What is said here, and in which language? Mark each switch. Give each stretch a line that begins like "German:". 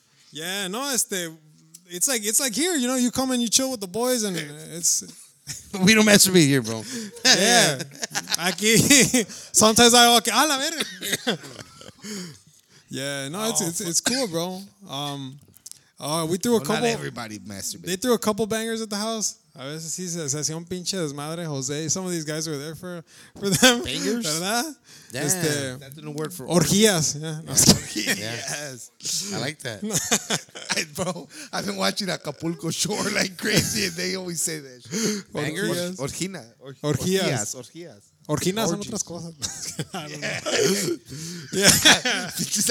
English: Yeah, no, it's like here, you know, you come and you chill with the boys, and it's. We don't mess with me here, bro. Yeah. Aquí. Sometimes I walk.
Spanish: A la verga.
English: Yeah, no, it's cool, bro. We threw a couple. Not everybody masturbated. They threw a couple bangers at the house.
Spanish: A veces sí se hacía un pinche desmadre, Jose.
English: Some of these guys were there for them. Bangers?
Spanish: ¿Verdad?
English: Yeah. That didn't work for orgías. Yeah.
Spanish: No. Orgías.
English: I like that. Bro, I've been watching Acapulco Shore like crazy, and they always say that. Bangers?
Spanish: Orgías. Orginas son otras cosas.